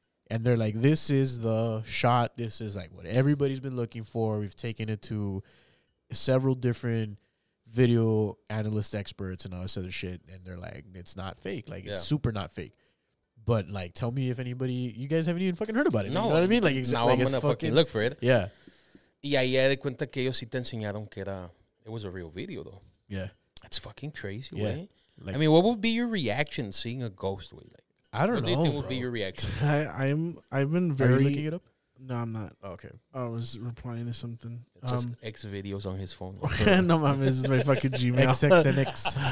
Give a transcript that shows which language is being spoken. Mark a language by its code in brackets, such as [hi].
[en] And they're like, this is the shot. This is, like, what everybody's been looking for. We've taken it to several different video analyst experts and all this other shit. And they're like, it's not fake. Like, yeah, it's super not fake. But, like, tell me if anybody, you guys haven't even fucking heard about it. No. You know what I mean? Like, now, like, I'm going to fucking look for it. Yeah. [es] Y ahí de cuenta que ellos sí te enseñaron que era, [en] it was a real video, though. Yeah. That's fucking crazy, yeah, way. Like, I mean, what would be your reaction seeing a ghost, way? Like, I don't know, what do you think would be your reaction? I've been very... Are you looking it up? No, I'm not. Oh, okay. I was replying to something. It's just X videos on his phone. No, mom, this is my fucking Gmail. XXNX.